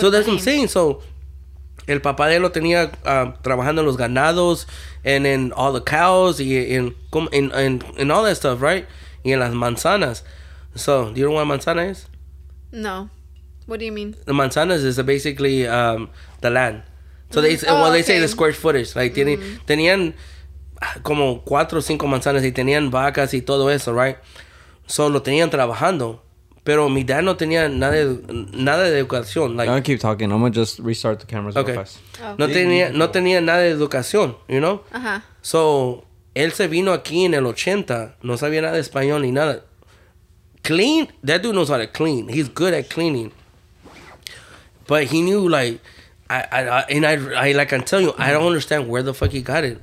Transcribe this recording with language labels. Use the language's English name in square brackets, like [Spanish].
[English] So that's what I'm saying. So [Spanish] el papá de él lo tenía trabajando los ganados [English] and then all the cows and all that stuff, right? [Spanish] Y en las manzanas. [English] So, do you know what a manzana is? No. What do you mean? The manzanas is basically the land. So, they mm-hmm. Oh, well, they okay. Say the square footage. [Spanish] Like, tenían como cuatro o cinco manzanas y tenían vacas y todo eso, [English] right? [Spanish] So, lo tenían trabajando. Pero mi dad no tenía nada de educación. [English] Like, I'm going to keep talking. I'm going to just restart the cameras okay. Real fast. [Spanish] Okay. No tenía nada de educación, [English] you know? [Spanish] Ajá. So, él se vino aquí en el 80. No sabía nada de español ni nada. [English] Clean, that dude knows how to clean. He's good at cleaning. But he knew, like, I like I'm telling you, I don't understand where the fuck he got it.